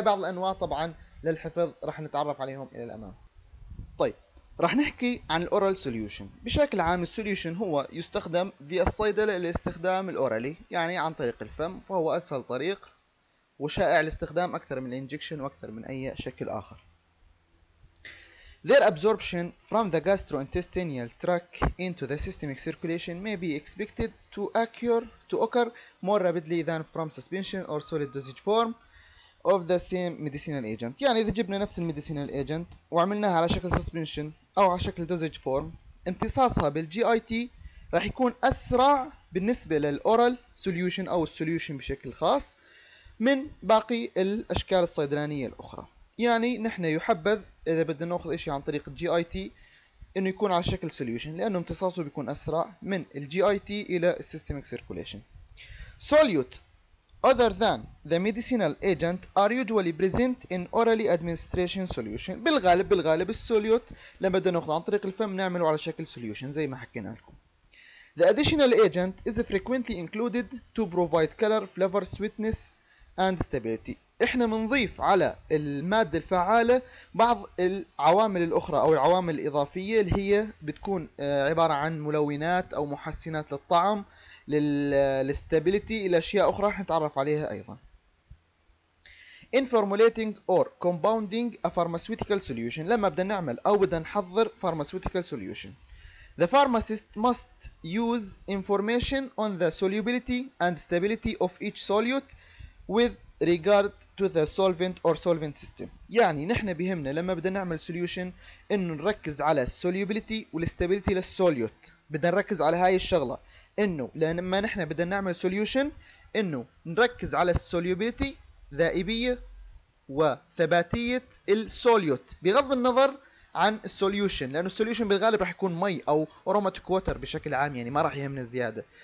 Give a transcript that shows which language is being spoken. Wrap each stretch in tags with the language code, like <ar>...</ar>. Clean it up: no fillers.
<ar>بعض الانواع طبعا للحفظ راح نتعرف عليهم الى الامام. طيب راح نحكي عن الاورال سوليوشن. بشكل عام السوليوشن هو يستخدم في الصيدله لاستخدام الاورالي، يعني عن طريق الفم، فهو اسهل طريق وشائع الاستخدام اكثر من الانجكشن واكثر من اي شكل اخر.</ar> <en>Their absorption from the gastrointestinal tract into the systemic circulation may be expected to occur more rapidly than from suspension or solid dosage form of the same medicinal agent.</en> <ar>يعني إذا جبنا نفس المديسينال ايجنت وعملناها على شكل suspension أو على شكل dosage form، امتصاصها بالGIT راح يكون أسرع بالنسبة للأورال solution أو solution بشكل خاص من باقي الأشكال الصيدلانية الأخرى. يعني نحن يحبذ اذا بدنا ناخذ شيء عن طريق الجي اي تي انه يكون على شكل سوليوشن، لانه امتصاصه بيكون اسرع من الجي اي تي الى السيستميك سيركوليشن.</ar> <en>Solute other than the medicinal agent are usually present in orally administration solution.</en> <ar>بالغالب السوليوت لما بدنا ناخذه عن طريق الفم نعمله على شكل سوليوشن زي ما حكينا لكم.</ar> <en>The additional agent is frequently included to provide color, flavor, sweetness and stability.</en> <ar>احنا بنضيف على الماده الفعاله بعض العوامل الاخرى او العوامل الاضافيه اللي هي بتكون عباره عن ملونات او محسنات للطعم للستابيليتي الى اشياء اخرى راح نتعرف عليها ايضا.</ar> <en>In formulating or compounding a pharmaceutical solution،</en> <ar>لما بدنا نعمل او بدنا نحضر</ar> <en>pharmaceutical solution، the pharmacist must use information on the solubility and stability of each solute with regard to the solvent or solvent system.</en> <ar>يعني نحن بهمنا لما بدنا نعمل solution انه نركز على solubility والstability للسوليوت. بدنا نركز على هاي الشغلة، انه لما نحن بدنا نعمل solution انه نركز على solubility، ذائبية وثباتية السوليوت بغض النظر عن السوليوشن، لانه السوليوشن بالغالب راح يكون مي او اروماتيك ووتر بشكل عام، يعني ما راح يهمنا زياده.</ar>